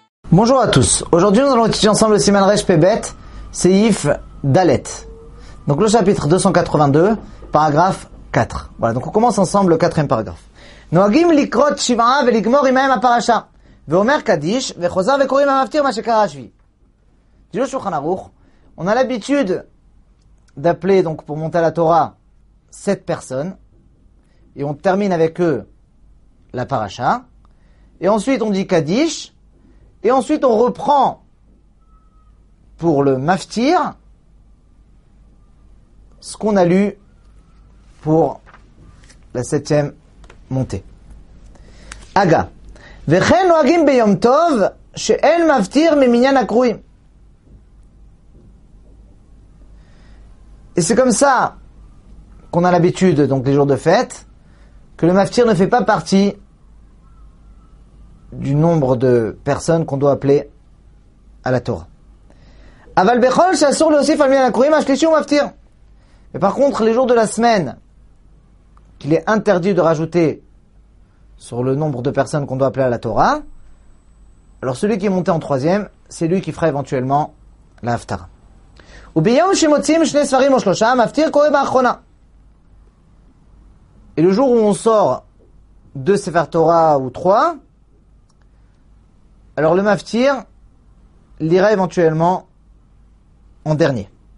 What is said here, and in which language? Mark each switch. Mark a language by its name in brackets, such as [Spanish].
[French] Bonjour à tous. Aujourd'hui, nous allons étudier ensemble le Siman Resh Pebet, Seif Dalet. Donc le chapitre 282, paragraphe 4. Voilà, donc on commence ensemble le quatrième paragraphe. [Hebrew] Noagim likrot shiva'a veligmor imaim aparasha. ואומר קדיש וחוזר וקוראים המפטיר מה שקרה השביעי. [French] דיור שולחן ערוך, on a l'habitude d'appeler donc pour monter à la Torah sept personnes et on termine avec eux la paracha et ensuite on dit קדיש et ensuite on reprend pour le מפטיר ce qu'on a lu pour la septième montée. [Hebrew] Aga וכן נוהגים ביום טוב שאין מפטיר ממניין הקרויים. [French] Et c'est comme ça qu'on a l'habitude, donc les jours de fête, que le maftir ne fait pas partie du nombre de personnes qu'on doit appeler à la Torah. [Hebrew] אבל בכל שאסור להוסיף על מניין הקרויים השלישי הוא מפטיר. [French] Mais par contre, les jours de la semaine, qu'il est interdit de rajouter sur le nombre de personnes qu'on doit appeler à la Torah, alors celui qui est monté en troisième, c'est lui qui fera éventuellement la Haftara. Et le jour où on sort deux Sefer Torah ou trois, alors le Maftir lira éventuellement en dernier.